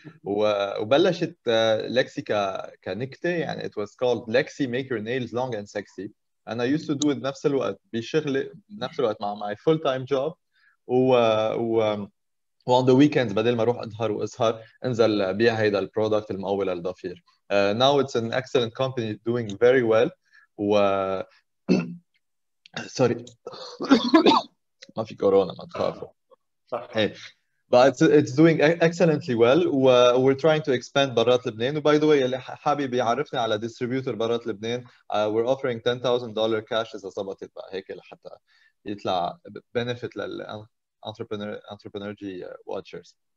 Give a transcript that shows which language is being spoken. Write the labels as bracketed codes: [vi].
[ar] وبلشت لكسي كنكتة، يعني [en] it was called Lexi make your nails long and sexy. [ar] أنا [en] used to do it [ar] نفس الوقت بشغلي، نفس الوقت مع [en] my full time job، [ar] و [en] on the weekends [ar] بدل ما أروح أظهر وأسهر أنزل بيع هيدا البرودكت المقوي للضفير. [en] Now it's an excellent company doing very well. [ar] و sorry ما في كورونا، ما تخافوا. [en] But it's doing excellently well. We're trying to expand [ar] برات لبنان. By the way، اللي حابب يعرفني على distributor برات لبنان، [en] we're offering $10,000 cash [ar] إذا صبتت بقى هيك لحتى يطلع benefit لل [en] entrepreneurship watchers.